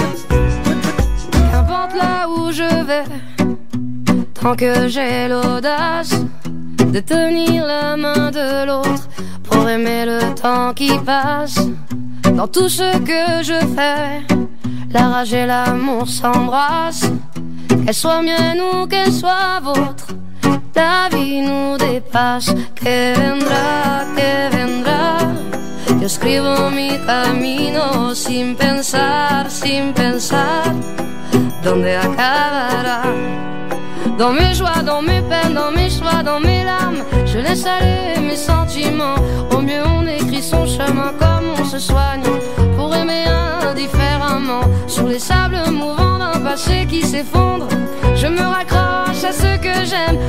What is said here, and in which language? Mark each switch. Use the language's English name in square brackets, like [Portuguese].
[French] Qu'importe là où je vais, tant que j'ai l'audace de tenir la main de l'autre pour aimer le temps qui passe. Dans tout ce que je fais, la rage et l'amour s'embrassent. Qu'elles soient miennes ou qu'elles soient vôtres, la vie nous dépasse. [Spanish] Que vendrá, que vendrá. Yo escribo mi camino sin pensar, sin pensar. ¿Dónde acabará? [French] Dans mes joies, dans mes peines, dans mes choix, dans mes larmes, je laisse aller mes sentiments. Au mieux on écrit son chemin comme on se soigne, pour aimer indifféremment. Sur les sables mouvants d'un passé qui s'effondre, je me raccroche à ce que j'aime.